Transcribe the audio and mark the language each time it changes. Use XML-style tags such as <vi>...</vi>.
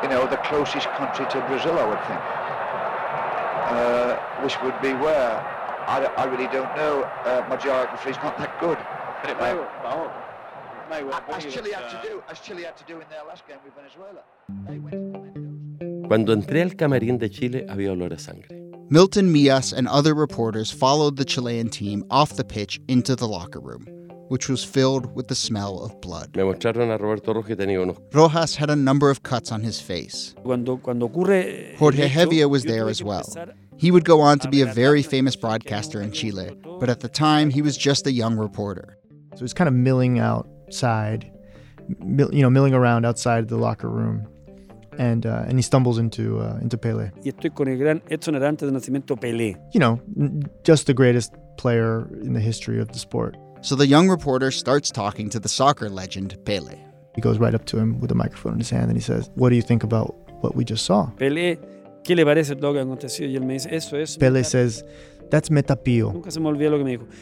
<en>You know, the closest country to Brazil, I would think. Which would be where? I really don't know. My geography is not that good. But it may well. As Chile had to do in their last game with Venezuela.</en> <es>Cuando entré al camarín de Chile, había olor a sangre.</es> <en>Milton Mias and other reporters followed the Chilean team off the pitch into the locker room, which was filled with the smell of blood.</en> <es>Me mostraron a Roberto Rojas que tenía unos...</es> <en>Rojas had a number of cuts on his face.</en> <es>Cuando ocurre...</es> <en>Jorge Hevia was there as well. He would go on to be a very famous broadcaster in Chile, but at the time, he was just a young reporter. So he's kind of milling outside, you know, milling around outside the locker room. And he stumbles into Pelé.</en> <es>Y estoy con el gran Edson Arantes de Nacimiento Pelé.</es> <en>You know, just the greatest player in the history of the sport. So the young reporter starts talking to the soccer legend, Pelé. He goes right up to him with a microphone in his hand and he says, "What do you think about what we just saw?"</en> <es>Pelé, ¿qué le parece lo que ha acontecido? Y él me dice, eso es...</es> <en>Pelé says, "That's metapío."</en> <es>Nunca se me olvidó lo que me dijo.</es>